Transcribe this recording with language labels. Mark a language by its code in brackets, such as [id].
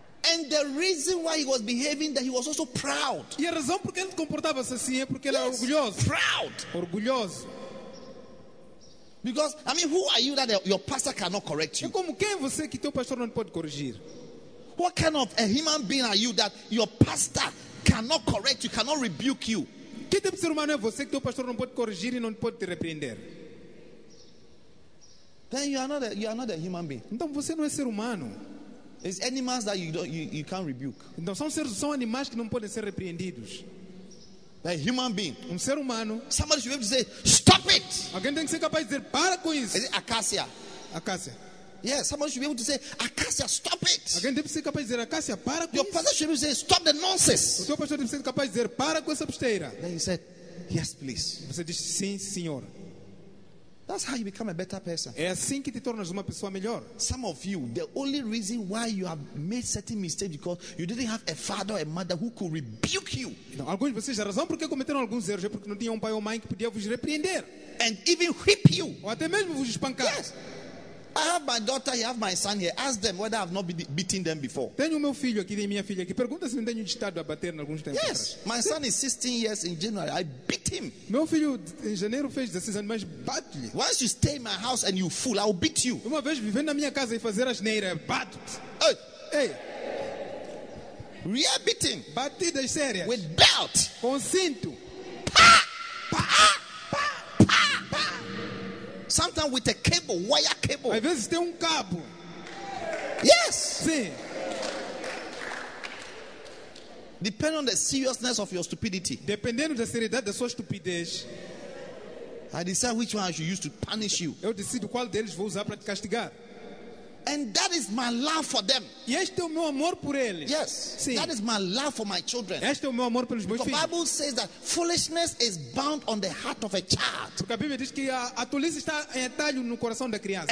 [en] And the reason why he was behaving that he was also proud. [pt] E a razão por que ele comportava-se assim é porque ele era orgulhoso. [en] Proud. [pt] Orgulhoso. [en] Because, I mean, who are you that your pastor cannot correct you? [pt] E como quem é você que teu pastor não pode corrigir? [en] What kind of a human being are you that your pastor cannot correct you, cannot rebuke you? [pt] Que tipo de ser humano é você que teu pastor não pode corrigir e não pode te repreender? [en] Then you are not a human being. [pt] Então você não é ser humano. [en] It's animals that you can't rebuke. [pt] Então são animais que não podem ser repreendidos. [en] A human being. [pt] Ser humano. [en] Somebody should be able to say, stop it. [pt] Alguém tem que ser capaz de dizer, para com isso. [en] Is it Acacia? [pt] Acacia. [en] Yeah, somebody should be able to say, Acacia, stop it. [pt] Alguém tem que ser capaz de dizer, Acacia, para com [en] your [pt] isso. [en] Your pastor should be able to say, stop the nonsense. [pt] O teu pastor tem que ser capaz de dizer, para com essa besteira. [en] Then he said, yes, please. [pt] Você diz, sim, senhor. [en] That's how you become a better person. [pt] É assim que te tornas uma pessoa melhor. [en] Some of you, the only reason why you have made certain mistakes because you didn't have a father or a mother who could rebuke you. [pt] Então, alguns de vocês, a razão por que cometeram alguns erros é porque não tinha pai ou mãe que podia vos repreender. [en] And even whip you. [pt] Ou até mesmo vos espancar. [en] Yes. I have my daughter, you have my son here. Ask them whether I have not beaten them before. [pt] Tenho meu filho aqui, tenho minha filha aqui. Pergunta se não tenho estado a bater em alguns tempos. [en] Yes, my son is 16 years in January. I beat him. [pt] Meu filho em janeiro fez 16 anos, mas bate-lhe. [en] Once you stay in my house and you fool, I will beat you. [pt] Uma vez vivendo na minha casa e fazer asneira, bate-te. [en] Hey. Real beating. [pt] Batidas sérias. [en] With belt. [pt] Com cinto. Pá! Pá! [en] Sometimes with a cable, wire cable. [pt] Às vezes tem cabo. [en] Yes. [pt] Sim. [en] Depend on the seriousness of your stupidity. [pt] Dependendo da seriedade da sua estupidez. [en] I decide which one I should use to punish you. [pt] Eu decido qual deles vou usar para te castigar. [en] And that is my love for them. [pt] E este é o meu amor por eles. [en] Yes. [pt] Sim. [en] That is my love for my children. [pt] Este é o meu amor pelos meus filhos. [en] The Bible says that foolishness is bound on the heart of a child. [pt] Porque a Bíblia diz que a tolice está em atalho no coração da criança.